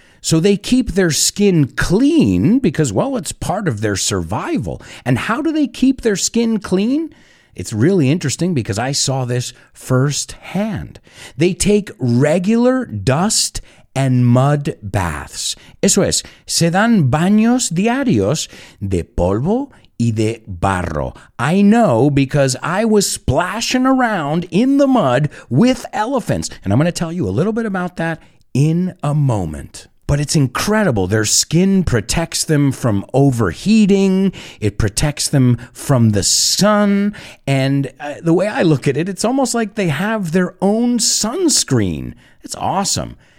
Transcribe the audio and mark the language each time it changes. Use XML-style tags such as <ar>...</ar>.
<en>So they keep their skin clean because, well, it's part of their survival. And how do they keep their skin clean? It's really interesting because I saw this firsthand. They take regular dust and mud baths.</en> <es>Eso es, se dan baños diarios de polvo y de barro.</es> <en>I know because I was splashing around in the mud with elephants. And I'm going to tell you a little bit about that in a moment. But it's incredible. Their skin protects them from overheating. It protects them from the sun. And the way I look at it, it's almost like they have their own sunscreen. It's awesome.</en>